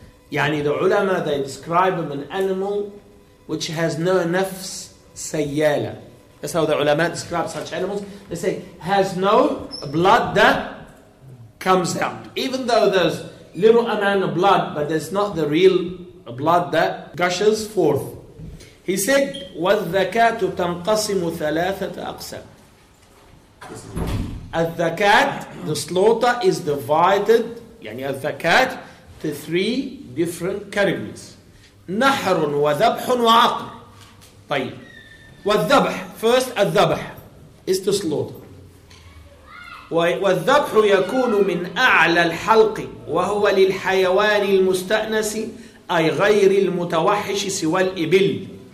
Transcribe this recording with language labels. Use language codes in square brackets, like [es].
[en] Yani the ulama, they describe him an animal which has no nafs sayyala. That's how the ulama describe such animals. They say, has no blood that comes out. Even though there's little amount of blood, but there's not the real blood that gushes forth. He said, [ar] وَالذَّكَاتُ تَنْقَسِمُ ثَلَاثَةَ أَقْسَمُ. [en] الذَّكَات, the slaughter is divided, يعني الذَّكَات, to three different categories. [ar] نَحْرٌ وَذَبْحٌ وَعَقْرٌ. طيب. [en] والذبح, first الذبح is to slaughter. [ar] والذبح يكون من أعلى الحلق وهو للحيوان المستأنس أي غير المتوحش سوى الإبل.